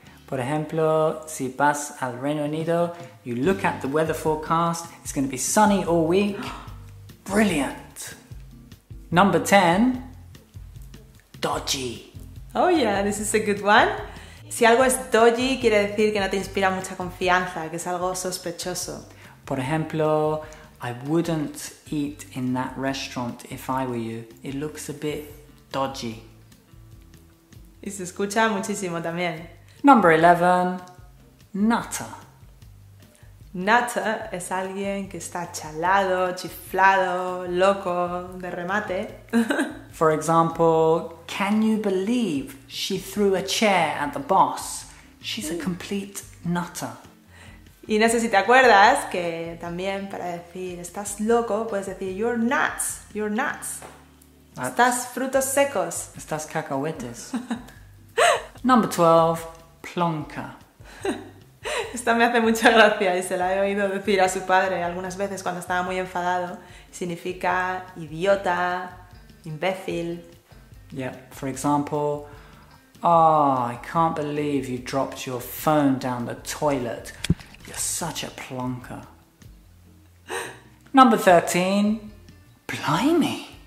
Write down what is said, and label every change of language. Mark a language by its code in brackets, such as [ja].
[es] Por ejemplo, si vas al Reino Unido, [en] you look at the weather forecast, it's going to be sunny all week. Brilliant. Number 10, dodgy. Oh yeah, this is a good one. [es] Si algo es dodgy, quiere decir que no te inspira mucha confianza, que es algo sospechoso. Por ejemplo, [en] I wouldn't eat in that restaurant if I were you. It looks a bit dodgy. [es] Y se escucha muchísimo también. [en] Number 11, nutter. [es] Nutter es alguien que está chalado, chiflado, loco, de remate. [en] For example, can you believe she threw a chair at the boss? She's a complete nutter. [es] Y no sé si te acuerdas que también para decir estás loco puedes decir [en] you're nuts, you're nuts. That's... [es] Estás frutos secos. Estás cacahuetes. [en] Number 12, plonka. [es] Esta me hace mucha gracia y se la he oído decir a su padre algunas veces cuando estaba muy enfadado. Significa idiota, imbécil. [en] Yeah, for example, oh, I can't believe you dropped your phone down the toilet. You're such a plonker. Number 13, blimey.